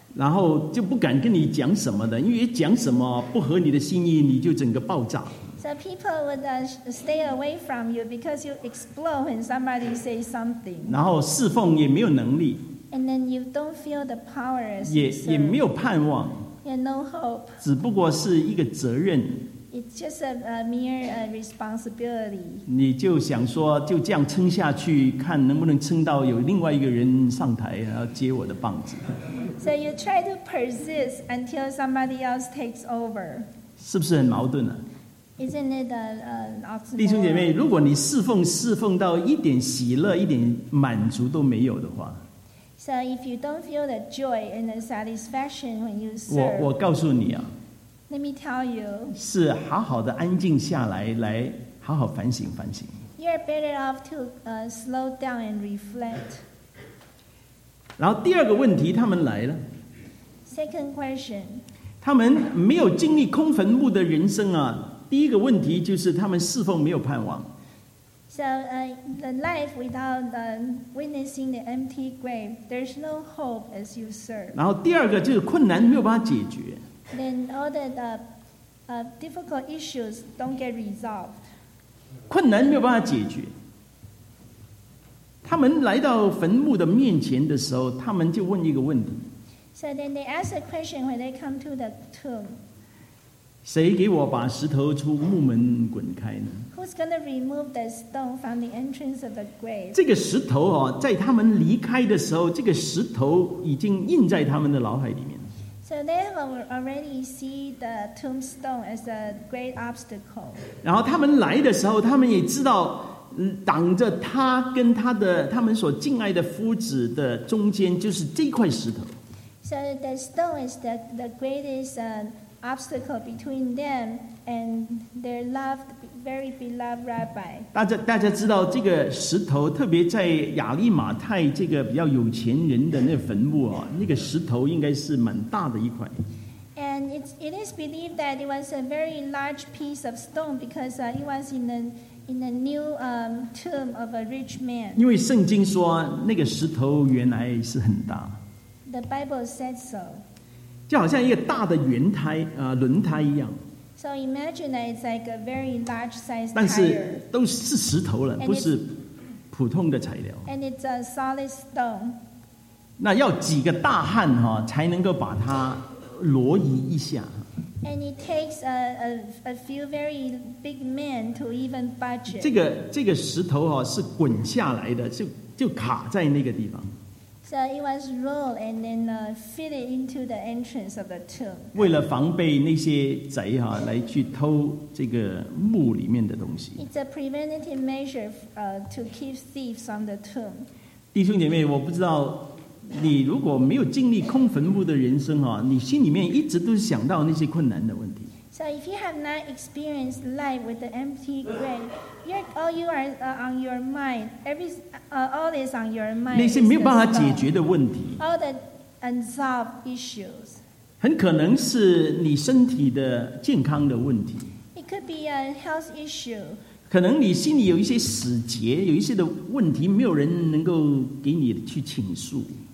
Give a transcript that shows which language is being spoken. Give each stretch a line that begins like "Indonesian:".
Chinese: 然后就不敢跟你讲什么的, 因为讲什么不合你的心意, 你就整个爆炸。
English: So people would stay away from you because you explode when somebody says something.
Chinese: 然后侍奉也没有能力,
English: and then you don't feel the power as you
Chinese: 也没有盼望,
English: and no hope.
Chinese: 只不过是一个责任,
English: it's just a mere responsibility.
Chinese: 你就想说, 就这样撑下去, 看能不能撑到有另外一个人上台, 然后接我的棒子。
English: So you try to persist until somebody else takes over.
Chinese: 是不是很矛盾啊?
English: Isn't it an oxymoron?
Chinese: 弟兄姐妹, 如果你侍奉到一点喜乐, 一点满足都没有的话,
English: so if you don't feel the joy and the satisfaction when you serve,
Chinese: 我告诉你啊,
English: let me tell you,
Chinese: 是好好的安静下来, 来好好反省反省。
English: You're better off to slow down and reflect.
Chinese: 然后第二个问题, 他们来了。
English: Second question.
Chinese: 他们没有经历空坟墓的人生啊, 第一个问题就是他们侍奉没有盼望。
English: So the life without witnessing the empty grave, there's no hope as you serve.
Chinese: 然后第二个就是困难没有办法解决。
English: Then all the difficult issues don't get resolved.
Chinese: 困难没有办法解决。他们来到坟墓的面前的时候, 他们就问一个问题。
English: So then they ask a question when they come to the tomb.
Chinese: 谁给我把石头从墓门滚开呢?
English: Who's going to remove the stone from the entrance of the grave?
Chinese: 这个石头哦, 在他们离开的时候, 这个石头已经印在他们的脑海里面。
English: So they have already seen the tombstone as a great obstacle.
Chinese: 然后他们来的时候, 他们也知道, 挡着他跟他的, 他们所敬爱的夫子的中间, 就是这块石头。
English: So the stone is the greatest obstacle between them and their loved, very beloved rabbi.
Chinese: 大家知道这个石头, 特别在亚利马太这个比较有钱人的那坟墓啊, 那个石头应该是蛮大的一块。
English: And it is believed that it was a very large piece of stone because it was in the new tomb of a rich man.
Chinese: 因为圣经说, 那个石头原来是很大。
English: The Bible said so.
Chinese: 就好像一个大的圆胎, 轮胎一样。
English: So imagine that it's like a very large size tire.
Chinese: 但是都是石头了, 不是普通的材料。
English: And it's a solid stone.
Chinese: 那要几个大汉, 才能够把它挪移一下。
English: And it takes a few very big men to even budge it.
Chinese: 这个石头, 是滚下来的, 就卡在那个地方。
English: So it was rolled and then fitted into the entrance of the tomb.
Chinese: 为了防备那些贼, 来去偷这个墓里面的东西。
English: It's a preventative measure to keep thieves from the tomb.
Chinese: 弟兄姐妹, 我不知道, 你如果没有经历空坟墓的人生, 你心里面一直都想到那些困难的问题。
English: So if you have not experienced life with the empty grave, all is on your mind.
Chinese: 那些没有办法解决的问题,
English: all the unsolved issues.
Chinese: 很可能是你身体的健康的问题。
English: It could be a health issue.
Chinese: 可能你心里有一些死结, 有一些的问题, 没有人能够给你去倾诉。